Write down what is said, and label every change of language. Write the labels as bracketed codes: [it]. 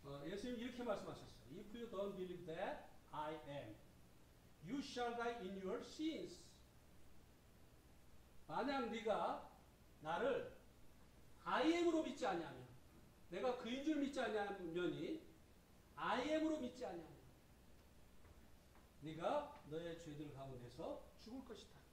[ko] 예수님 이렇게 말씀하셨어요. [en] If you don't believe that I am, you shall die in your sins. [ko] 만약 네가 나를 I am으로 믿지 않냐면, 내가 그인 줄 믿지 않냐면이 아이엠으로 믿지 아니하냐? 네가 너의 죄들 가운데서 죽을 것이다.